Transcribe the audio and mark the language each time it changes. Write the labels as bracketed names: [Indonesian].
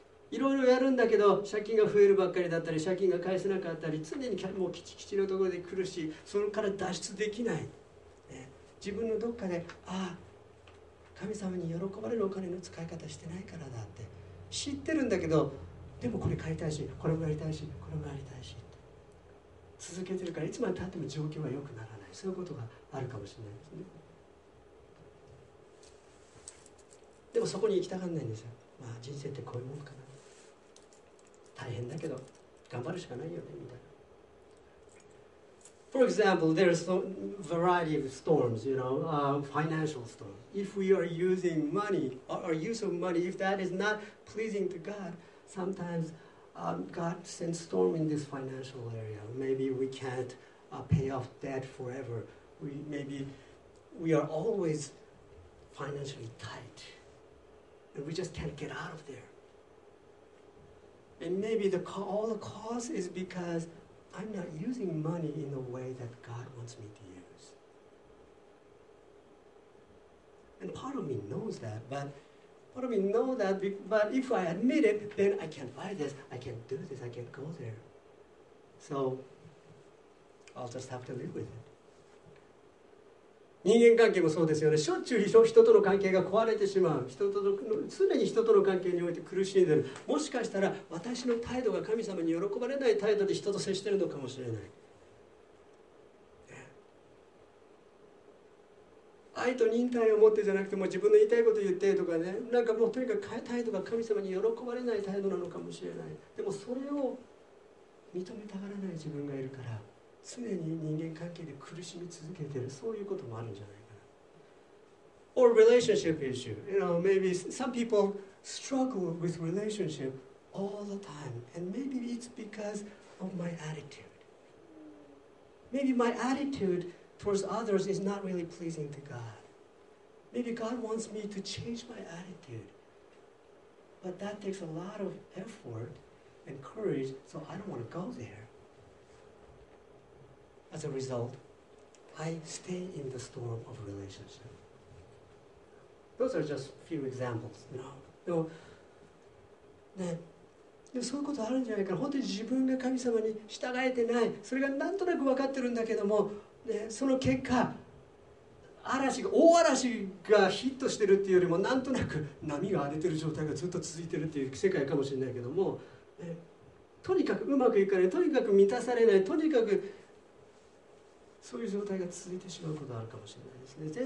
[Japanese] いろいろやるんだけど、借金が増えるばっかりだったり、借金が返せなかったり、常にもうきちきちのところで来るし、それから脱出できない、ね、自分のどっかで、ああ、神様に喜ばれるお金の使い方してないからだって知ってるんだけど、でもこれ買いたいし、これもやりたいし、これもやりたいしって続けてるから、いつまでたっても状況は良くならない、そういうことがあるかもしれないですね。でもそこに行きたがんないんですよ。まあ人生ってこういうもんかな、大変だけど頑張るしかないよねみたいな。 [English] For example, there are a variety of storms, you know, financial storm. If we are using money, our use of money, if that is not pleasing to God, sometimes God sends storm in this financial area. Maybe we can't pay off debt forever. Maybe we are always financially tight, and we just can't get out of there. And maybe all the cause is because I'm not using money in the way that God wants me to use. And part of me knows that, but if I admit it, then I can't buy this, I can't do this, I can't go there. So I'll just have to live with it. [Japanese] 人間関係もそうですよね。しょっちゅう人との関係が壊れてしまう、人との常に人との関係において苦しんでいる。もしかしたら私の態度が神様に喜ばれない態度で人と接しているのかもしれない。愛と忍耐を持ってじゃなくて、もう自分の言いたいこと言ってとかね、なんかもうとにかく態度が神様に喜ばれない態度なのかもしれない。でもそれを認めたがらない自分がいるから、常に人間関係で苦しみ続けている、そういうこともあるんじゃないかな。 [English] Or relationship issue. You know, maybe some people struggle with relationship all the time. And maybe it's because of my attitude. Maybe my attitude towards others is not really pleasing to God. Maybe God wants me to change my attitude. But that takes a lot of effort and courage, so I don't want to go there. As a result, I stay in the storm of relationship. Those are just a few examples, you know. [Japanese] でもそういうことあるんじゃないかな。本当に自分が神様に従えてない。それがなんとなく分かってるんだけども、ね、その結果、大嵐がヒットしてるっていうよりも、なんとなく波が荒れてる状態がずっと続いてるっていう世界かもしれないけども、ね、とにかくうまくいかない、とにかく満たされない、とにかくそういう状態が続いてしまうことがあるかもしれないですね。